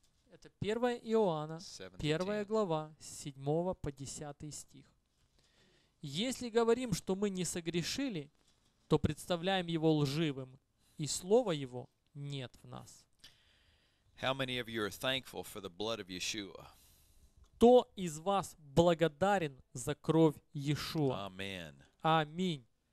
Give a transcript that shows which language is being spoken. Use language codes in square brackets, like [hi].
[ru] Это 1 Иоанна, 1 глава, 7 по 10 стих. Если говорим, что мы не согрешили, то представляем его лживым, и слова его нет в нас. [en] How many of you are thankful for the blood of Yeshua? [ru] Кто из вас благодарен за кровь Иешуа? Аминь.